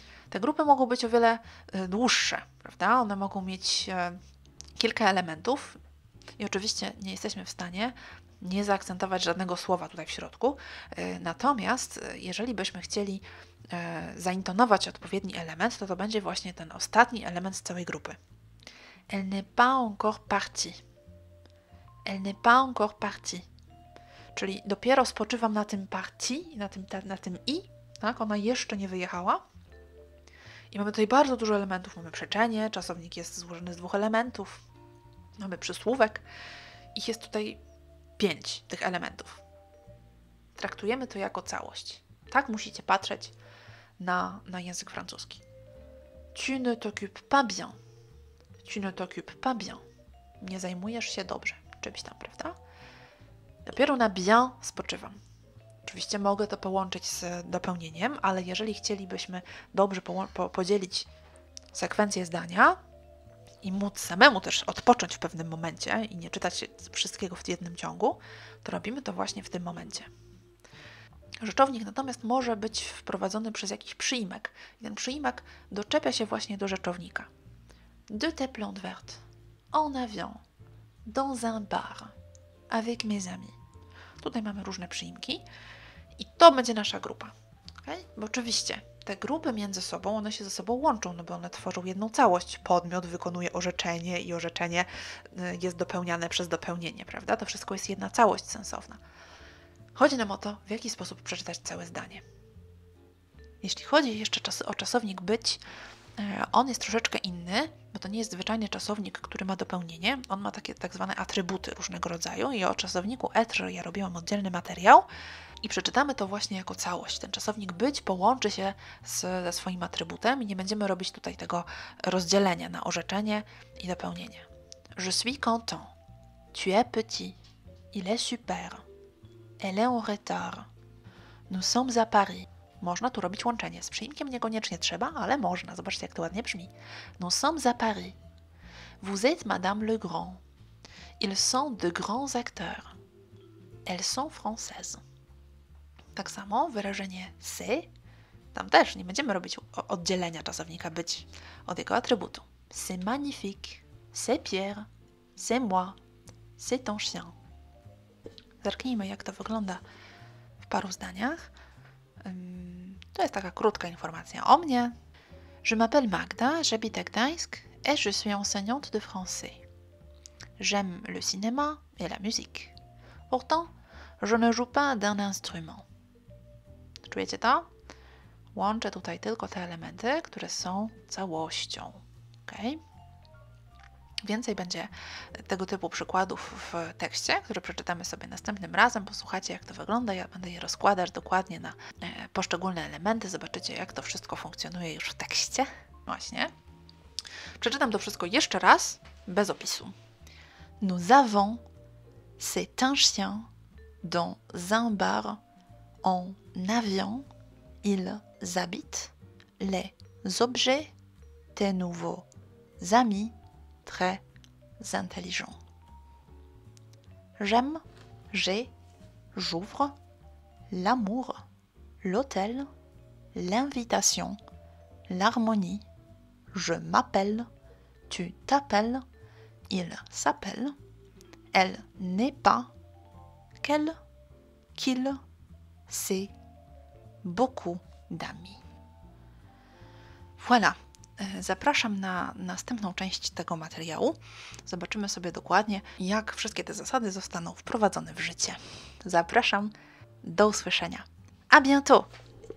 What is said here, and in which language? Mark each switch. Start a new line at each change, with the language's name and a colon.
Polish: Te grupy mogą być o wiele dłuższe, prawda? One mogą mieć kilka elementów i oczywiście nie jesteśmy w stanie nie zaakcentować żadnego słowa tutaj w środku. Natomiast jeżeli byśmy chcieli zaintonować odpowiedni element, to będzie właśnie ten ostatni element z całej grupy.
French: Elle n'est pas encore partie. Elle n'est pas encore partie.
Polish: Czyli dopiero spoczywam na tym partie, na tym i, tak? Ona jeszcze nie wyjechała. I mamy tutaj bardzo dużo elementów. Mamy przeczenie, czasownik jest złożony z dwóch elementów. Mamy przysłówek. Ich jest tutaj pięć tych elementów. Traktujemy to jako całość. Tak musicie patrzeć na język francuski.
French: Tu ne t'occupes pas bien. Tu ne t'occupes pas bien.
Polish: Nie zajmujesz się dobrze czymś tam, prawda? Dopiero na bien spoczywam. Oczywiście mogę to połączyć z dopełnieniem, ale jeżeli chcielibyśmy dobrze podzielić sekwencję zdania i móc samemu też odpocząć w pewnym momencie i nie czytać wszystkiego w jednym ciągu, to robimy to właśnie w tym momencie. Rzeczownik natomiast może być wprowadzony przez jakiś przyimek. I ten przyimek doczepia się właśnie do rzeczownika.
French: De tes plantes vertes, en avion, dans un bar, avec mes amis.
Polish: Tutaj mamy różne przyimki i to będzie nasza grupa, okay? Bo oczywiście te grupy między sobą, one się ze sobą łączą, no bo one tworzą jedną całość. Podmiot wykonuje orzeczenie i orzeczenie jest dopełniane przez dopełnienie, prawda? To wszystko jest jedna całość sensowna. Chodzi nam o to, w jaki sposób przeczytać całe zdanie. Jeśli chodzi jeszcze o czasownik być, on jest troszeczkę inny, bo to nie jest zwyczajny czasownik, który ma dopełnienie. On ma takie tak zwane atrybuty różnego rodzaju i o czasowniku être ja robiłam oddzielny materiał i przeczytamy to właśnie jako całość. Ten czasownik być połączy się ze swoim atrybutem i nie będziemy robić tutaj tego rozdzielenia na orzeczenie i dopełnienie.
French: Je suis content. Tu es petit. Il est super. Elle est en retard. Nous sommes à Paris.
Polish: Można tu robić łączenie. Z przyimkiem niekoniecznie trzeba, ale można. Zobaczcie, jak to ładnie brzmi.
French: Nous sommes à Paris. Vous êtes Madame Legrand. Ils sont de grands acteurs. Elles sont françaises.
Polish: Tak samo wyrażenie c'est. Tam też nie będziemy robić oddzielenia czasownika być od jego atrybutu.
French: C'est magnifique, c'est Pierre, c'est moi, c'est ton chien.
Polish: Zerknijmy, jak to wygląda w paru zdaniach. To jest taka krótka informacja o mnie.
French: Je m'appelle Magda, j'habite à Gdańsk et je suis enseignante de français. J'aime le cinéma et la musique. Pourtant, je ne joue pas d'un instrument.
Polish: Czujecie to? Łączę tutaj tylko te elementy, które są całością. Okay? Więcej będzie tego typu przykładów w tekście, które przeczytamy sobie następnym razem. Posłuchacie, jak to wygląda. Ja będę je rozkładać dokładnie na poszczególne elementy. Zobaczycie, jak to wszystko funkcjonuje już w tekście. Właśnie. Przeczytam to wszystko jeszcze raz, bez opisu.
French: Nous avons, c'est un chien, dans un bar, en avion, ils habitent, les objets, tes nouveaux amis, très intelligent. J'aime, j'ai, j'ouvre, l'amour, l'hôtel, l'invitation, l'harmonie, je m'appelle, tu t'appelles, il s'appelle, elle n'est pas, qu'elle, qu'il, c'est, beaucoup d'amis. Voilà.
Polish: Zapraszam na następną część tego materiału. Zobaczymy sobie dokładnie, jak wszystkie te zasady zostaną wprowadzone w życie. Zapraszam do usłyszenia.
French: A bientôt!